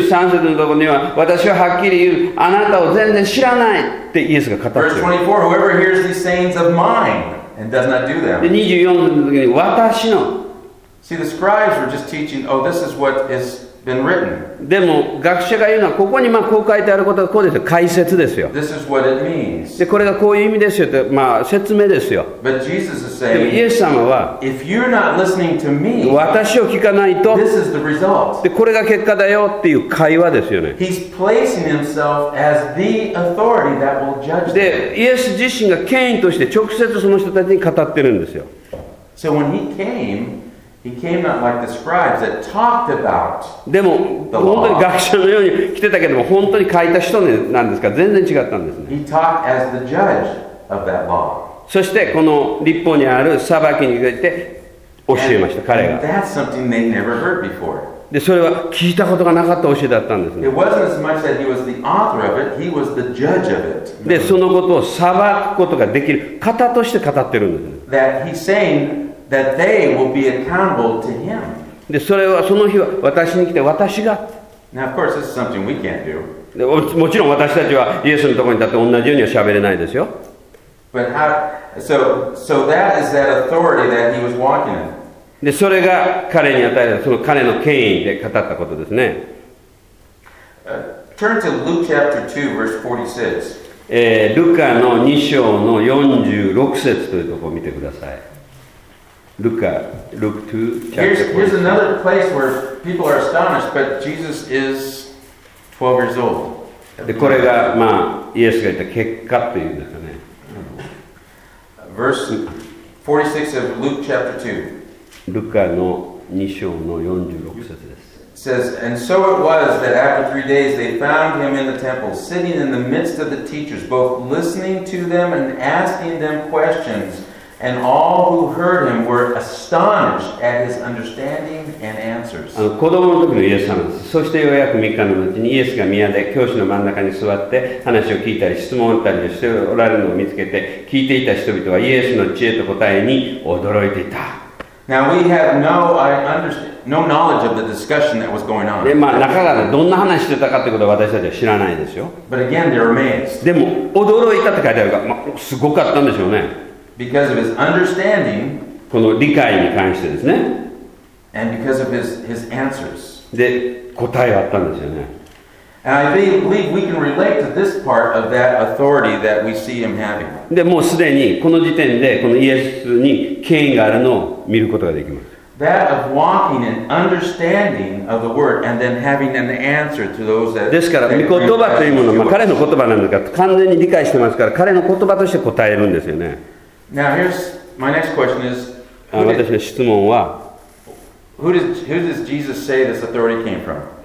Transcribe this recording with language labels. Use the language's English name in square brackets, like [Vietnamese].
[Japanese] 23節のところには、私ははっきり言う、あなたを全然知らないってイエスが語ってる。 [English] Verse 24, whoever hears these sayings of mine and does not do them. [Japanese] で、24節のところに、私の。 [English] See, the scribes were just teaching, oh, this is what has been written. [Japanese] でも、学者が言うのは、ここにまあこう書いてあることはこうですよ。解説ですよ。 [English] This is what it means. [Japanese] で、これがこういう意味ですよって、まあ説明ですよ。 [English] But Jesus is saying, [Japanese] でもイエス様は、 [English] if you're not listening to me, [Japanese] 私を聞かないと、 [English] this is the result. [Japanese] で、これが結果だよっていう会話ですよね。 [English] He's placing himself as the authority that will judge them. [Japanese] で、イエス自身が権威として直接その人たちに語ってるんですよ。 [English] So when he came,He came not like the scribes that talked about the law. [Japanese] でも本当に学者のように来てたけども本当に書いた人なんですか全然違ったんですね。 [English] He talked as the judge of that law. [Japanese] そしてこの律法にある裁きについて教えました彼が。 [English] And that's something they never heard before. [Japanese] でそれは聞いたことがなかった教えだったんですね。 [English] It wasn't as much that he was the author of it, he was the judge of it. [Japanese] でそのことを裁くことができる方として語ってるんですね。 [English] That he's sayingThat they will be accountable to him. [Japanese] で、それはその日は私に来て私が。 [English] Now, of course, this is something we can't do. [Japanese] で、もちろん私たちはイエスのところに立って同じようには喋れないですよ。 [English] But how, so that is that authority that he was walking in. [Japanese] で、それが彼に与えたその彼の権威で語ったことですね。 [English] Turn to Luke chapter 2, verse 46. [Japanese] ルカの2章の46節というところを見てください。 [English] Luke 2, chapter 46. Here's another place where people are astonished, but Jesus is 12 years old. [Japanese] で、これが、まあ、イエスが言った結果っていうんですかね。 [English] Verse 46 of Luke chapter [Japanese] 2. ルカの2章の46節です。 [English] Says, and so it was that after 3 days they found him in the temple, sitting in the midst of the teachers, both listening to them and asking them questions. And all who heard him were astonished at his understanding and answers. [Japanese] 子供の時のイエス様です。そしてようやく3日の後にイエスが宮で教師の真ん中に座って話を聞いたり質問したりしておられるのを見つけて聞いていた人々はイエスの知恵と答えに驚いていた。 [English] Now we have no knowledge of the discussion that was going on. [Japanese] で、まあ中がどんな話してたかってことは私たちは知らないですよ。 [English] But again, they're amazed. [Japanese] でも驚いたって書いてあるから、まあ、すごかったんでしょうね。 [English] Because of his understanding [Japanese] この理解に関してですね。 [English] And because of his answers. [Japanese] で、答えがあったんですよね。 [English] And I believe we can relate to this part of that authority that we see him having. [Japanese] で、もうすでにこの時点でこのイエスに権威があるのを見ることができます。 [English] That of walking and understanding of the word and then having an answer to those that. [Japanese] ですから、御言葉というものは彼の言葉なのか完全に理解してますから、彼の言葉として答えるんですよね。 [English] Now here's my next question is. [Japanese] 私の質問は。 [English] Who does Jesus say this authority came from?